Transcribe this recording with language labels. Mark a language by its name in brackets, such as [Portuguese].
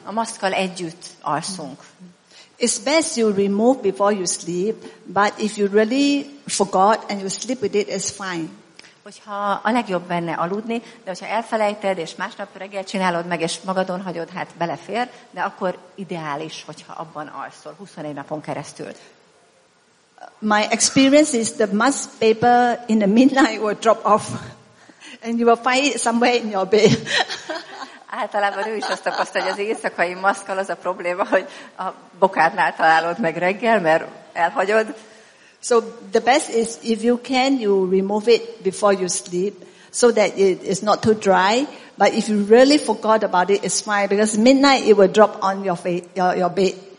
[Hungarian] A maszkkal együtt alszunk. [English] It's best you remove before you sleep, but if you really forgot and you sleep with it, it's fine. [Hungarian] Hogyha a legjobb benne aludni, de hogyha elfelejted, és másnap reggel csinálod meg, és magadon hagyod, hát belefér, de akkor ideális, hogyha abban alszol 21 napon keresztül. [English] My experience is the mask paper in the midnight will drop off. And you will find it somewhere in your bed. [Hungarian] Általában ő is azt tapasztalja, hogy az éjszakai maszkkal az a probléma, hogy a bokádnál találod meg reggel, mert elhagyod. [English] So the best is if you can, you remove it before you sleep, so that it is not too dry. But if you really forgot about it, it's fine, because midnight it will drop on your bed.